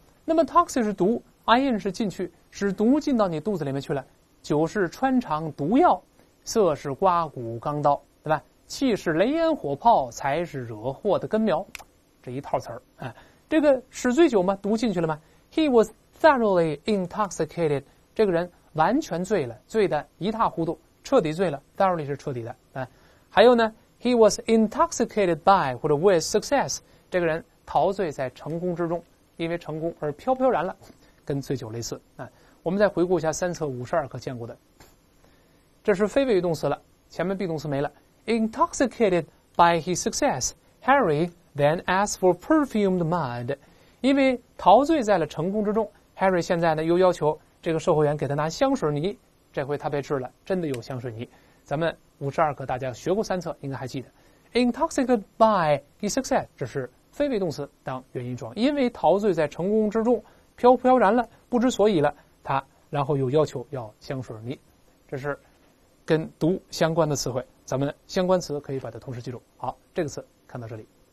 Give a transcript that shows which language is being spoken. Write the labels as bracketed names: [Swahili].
[Chinese] 那么 toxic 是毒， in 是进去，使毒进到你肚子里面去了，酒是穿肠毒药，色是刮骨钢刀，对吧？气是雷烟火炮，才是惹祸的根苗，这一套词儿、这个使醉酒嘛，毒进去了吗？ [English] He was thoroughly intoxicated. [Chinese] 这个人完全醉了，醉得一塌糊涂，彻底醉了。 Thoroughly 是彻底的。还有呢 [English] ，He was intoxicated by [Chinese] 或者 [English] with success. [Chinese] 这个人陶醉在成功之中，因为成功而飘飘然了，跟醉酒类似。我们再回顾一下三册五十二课见过的，这是非谓语动词了，前面 be 动词没了。 [English] Intoxicated by his success, Harry then asked for perfumed mud. [Chinese] 因为陶醉在了成功之中， Harry 现在呢又要求这个售货员给他拿香水泥，这回他被治了，真的有香水泥。咱们52课大家学过三册应该还记得 [English] intoxicated by his success, [Chinese] 这是非谓动词当原因状，因为陶醉在成功之中飘飘然了，不知所以了，他然后又要求要香水泥，这是跟毒相关的词汇，咱们相关词可以把它同时记住。好，这个词看到这里。